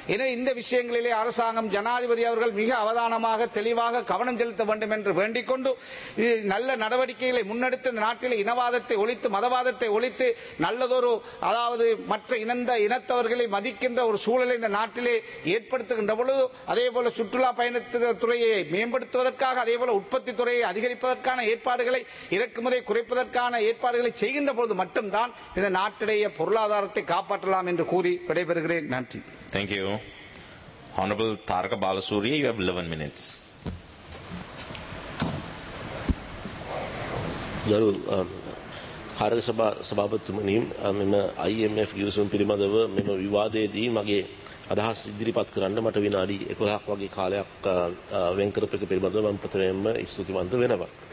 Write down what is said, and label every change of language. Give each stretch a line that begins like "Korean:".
Tamil: எனவே இந்த விஷயங்களிலே அரசாங்கம் ஜனாதிபதி அவர்கள் மிக அவதானமாக தெளிவாக கவனம் செலுத்த வேண்டும் என்று வேண்டிக் கொண்டு நல்ல நடவடிக்கைகளை முன்னெடுத்து நாட்டில் இனவாதத்தை ஒழித்து மதவாதத்தை ஒழித்து நல்லதொரு அதாவது மற்ற இனத்தவர்களை மதிக்கின்ற ஒரு சூழலை இந்த நாட்டிலே ஏற்படுத்துகின்ற பொழுது, அதே போல சுற்றுலா பயணத்துறையை மேம்படுத்துவதற்காக, அதே போல உற்பத்தி துறையை அதிகரிப்பதற்கான ஏற்பாடுகளை, இறக்குமதியை குறைப்பதற்கான ஏற்பாடுகளை செய்கின்ற பொழுது மட்டும்தான் இந்த நாட்டிலேய பொருளாதாரத்தை காப்பாற்றலாம் என்று கூறி விடைபெறுகிறேன். நன்றி.
English: Thank you. Honorable Tharaka Balasuri, you have 11 minutes.
Sinhala: ගරු කාර්ය සභා සභාපතිතුමනි මම IMF ගිවිසුම් පිළිබඳව මෙම විවාදයේදී මගේ අදහස් ඉදිරිපත් කරන්න මට විනාඩි 11ක් වගේ කාලයක් වෙන් කරපු එක පිළිබඳව මම ප්‍රථමයෙන්ම ස්තුතිවන්ත වෙනවා.